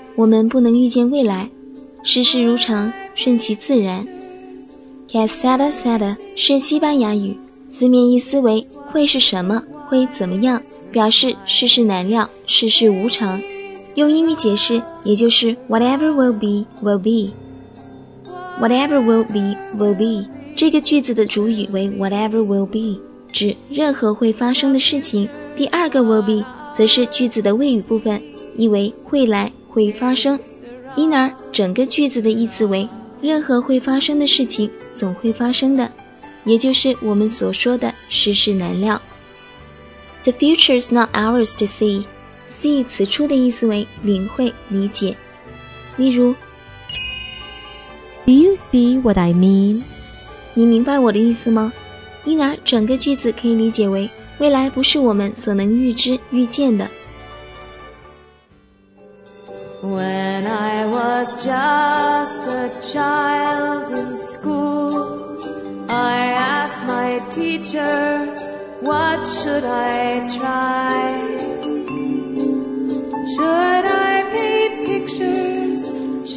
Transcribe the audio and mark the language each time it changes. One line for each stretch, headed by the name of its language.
Chinese: 我们不能预见未来，世事如常，顺其自然。
Spanish: Que sera, sera
Chinese: 是西班牙语，字面意思为会是什么，会怎么样，表示世事难料，世事无常。用英语解释，也就是
English: Whatever will be, will be。 Whatever will be, will be
Chinese: 这个句子的主语为
English: whatever will be，
Chinese: 指任何会发生的事情。第二个 will be 则是句子的谓语部分，意为会来，会发生。因而整个句子的意思为任何会发生的事情总会发生的，也就是我们所说的世事难料。
English: The future is not ours to see.
Chinese: See 此处的意思为领会、理解。例如，
English: Do you see what I mean?
Chinese: 你明白我的意思吗？因而整个句子可以理解为未来不是我们所能预知预见的。
English: When I was just a child in school, I asked my teacher, what should I try? Should I paint pictures?